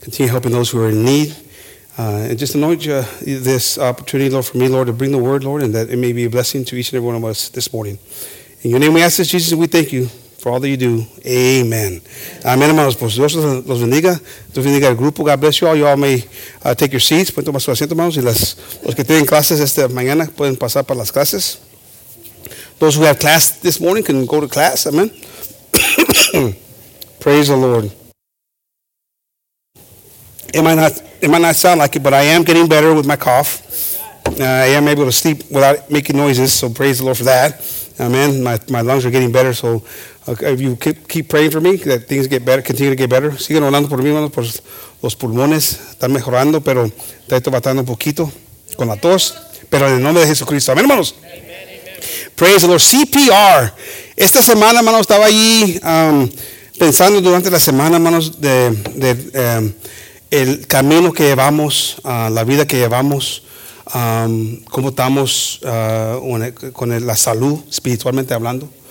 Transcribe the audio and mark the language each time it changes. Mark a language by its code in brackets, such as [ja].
[en] Continue helping those who are in need. And just anoint you this opportunity, Lord, for me, Lord, to bring the word, Lord, and that it may be a blessing to each and every one of us this morning. In your name we ask this, Jesus, and we thank you for all that you do. [es] Amen. Amen, hermanos. Pues Dios los bendiga. Dios bendiga el grupo. [en] God bless you all. You all may take your seats. [es] Pueden tomar su asiento, hermanos. Y los que tienen clases esta mañana pueden pasar para las clases. [en] Those who have class this morning can go to class. Amen. Praise the Lord. It might not sound like it, but I am getting better with my cough. I am able to sleep without making noises, so praise the Lord for that. Amen. My lungs are getting better, so if you keep praying for me, that things get better, continue to get better. [es] Siguen orando por mí, hermanos, por los pulmones. Están mejorando, pero estoy batallando un poquito con la tos. Pero en el nombre de Jesucristo. Amen, hermanos. [en] Praise the Lord. [es] CPR. Esta semana, hermanos, estaba allí pensando durante la semana, hermanos, de el camino que llevamos, la vida que llevamos, cómo estamos con la salud, espiritualmente hablando.